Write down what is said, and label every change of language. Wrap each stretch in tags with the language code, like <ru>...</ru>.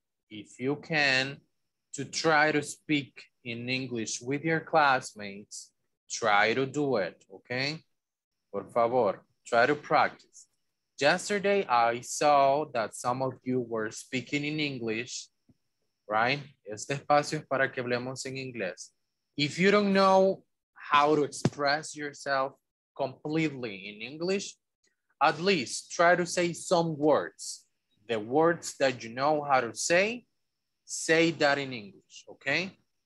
<en>If you can, to try to speak in English with your classmates, try to do it, okay? Por favor, try to practice. Yesterday, I saw that some of you were speaking in English, right?</en> <es>Este espacio es para que hablemos en inglés.</es> <en>If you don't know how to express yourself completely in English, at least try to say some words. The words that you know how to say, say that in English, okay?</en>